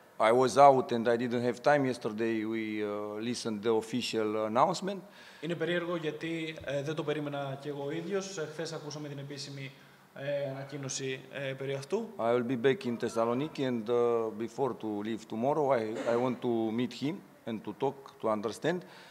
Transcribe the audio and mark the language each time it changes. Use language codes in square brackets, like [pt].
[en] I was out and I didn't have time yesterday. We listened to the official announcement. [el] Είναι περίεργο γιατί δεν το περίμενα και εγώ ίδιος. Χθες ακούσαμε την επίσημη ανακοίνωση περί αυτού. [en] I will be back in Thessaloniki and before to leave tomorrow, I want to meet him and to talk, to understand.